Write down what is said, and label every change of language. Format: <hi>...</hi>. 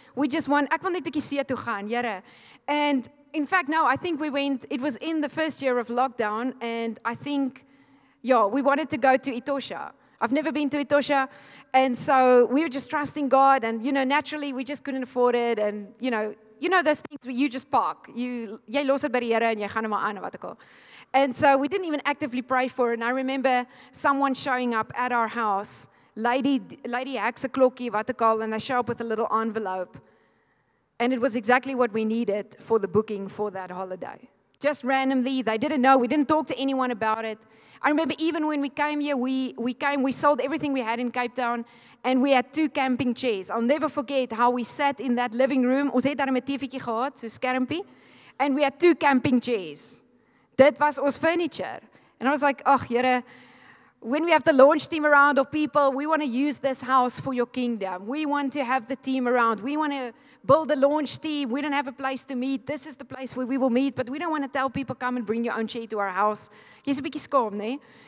<en>We just want,</en> <af>ek wil net bietjie see toe gaan, Here.</af> <en>And in fact, no, I think we went, it was in the first year of lockdown. And I think, we wanted to go to Etosha. I've never been to Etosha. And so we were just trusting God. And, naturally, we just couldn't afford it. And, you know those things where you just park.</en> <af>Jy los het by die Here en jy gaan maar aan, wat ek al.</af> <en>And so we didn't even actively pray for it. And I remember someone showing up at our house. Lady hacks a klokkie,</en> <af>wat ek al,</af> <en>and they show up with a little envelope. And it was exactly what we needed for the booking for that holiday. Just randomly, they didn't know. We didn't talk to anyone about it. I remember even when we came here, we sold everything we had in Cape Town, and we had two camping chairs. I'll never forget how we sat in that living room.</en> <af>Ons het daar 'n tafeltjie gehad, so skermpie.</af> <en>And we had two camping chairs. That was our furniture. And I was like, oh, Here, when we have the launch team around or people, we want to use this house for your kingdom. We want to have the team around. We want to build a launch team. We don't have a place to meet. This is the place where we will meet. But we don't want to tell people, come and bring your own chair to our house.</en> <af>Jy's 'n bietjie skaam, né?</af>